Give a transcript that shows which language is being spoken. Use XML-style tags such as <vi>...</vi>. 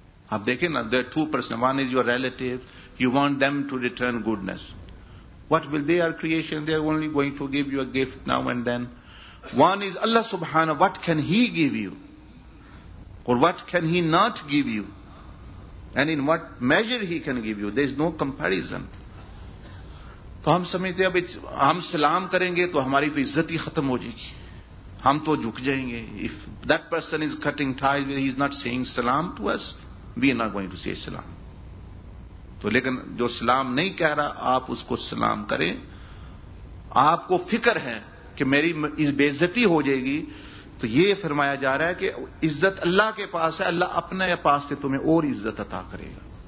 <ur>Aap dekhe na,</ur> <en>there are two persons. One is your relative, you want them to return goodness. What will they are creation? They are only going to give you a gift now and then. One is Allah subhanahu, what can he give you? Or what can he not give you? And in what measure he can give you? There is no comparison.</en> <ur>تو ہم سمجھتے ہیں ہم سلام کریں گے تو ہماری تو عزت ہی ختم ہو جائے گی، ہم تو جھک جائیں گے.</ur> <en>If that person is cutting ties, he is not saying salam to us, we are not going to say salam.</en> <ur>تو لیکن جو سلام نہیں کہہ رہا آپ اس کو سلام کریں. آپ کو فکر ہے کہ میری بے عزتی ہو جائے گی، تو یہ فرمایا جا رہا ہے کہ عزت اللہ کے پاس ہے، اللہ اپنے پاس سے تمہیں اور عزت عطا کرے گا.</ur>